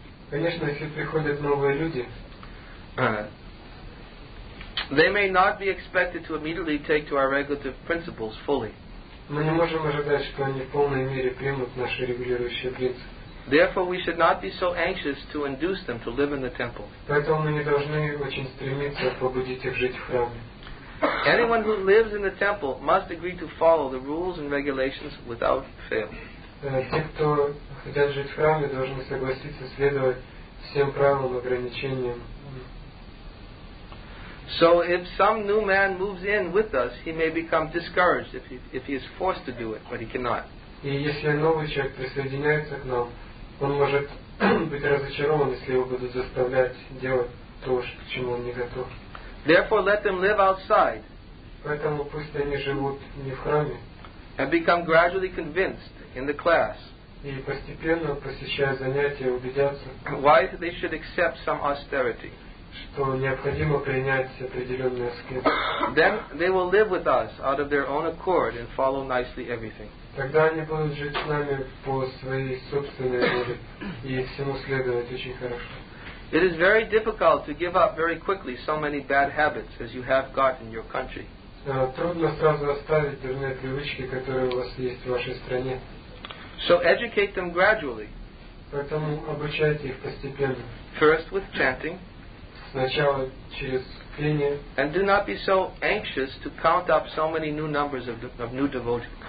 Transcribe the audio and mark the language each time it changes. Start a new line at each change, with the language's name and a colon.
Russian: конечно, если приходят новые люди,
English: they may not be expected to immediately take to our regulative principles fully.
Russian: Мы не можем ожидать, что они в полной мере примут наши регулирующие принципы.
English: Therefore, we should not be so anxious to induce them to live in the temple.
Russian: Поэтому мы не должны очень стремиться побудить их жить в храме.
English: Anyone who lives in the temple must agree to follow the rules and regulations without fail.
Russian: Те, кто хотят жить в храме, должны согласиться следовать всем правилам и ограничениям.
English: So if some new man moves in with us, he may become discouraged if he is forced to do it, but he cannot.
Russian: И если новый человек присоединяется к нам, он может быть разочарован, если его будут заставлять делать то, к чему он не готов.
English: Therefore, let them live outside.
Russian: Поэтому пусть они живут не в храме.
English: And become gradually convinced in the class.
Russian: И постепенно посещая занятия, убедятся.
English: Why they should accept some austerity?
Russian: Что необходимо принять определенные аскезы.
English: Then they will live with us out of their own accord and follow nicely everything.
Russian: Тогда они будут жить с нами по своей собственной воле и всему следовать очень хорошо.
English: It is very difficult to give up very quickly so many bad habits as you have got in your country.
Russian: Трудно сразу оставить дурные привычки, которые у вас есть в вашей стране.
English: So educate them gradually.
Russian: Поэтому обучайте их постепенно.
English: First with chanting.
Russian: Сначала через пение.
English: And do not be so anxious to count up so many new numbers of new devotees.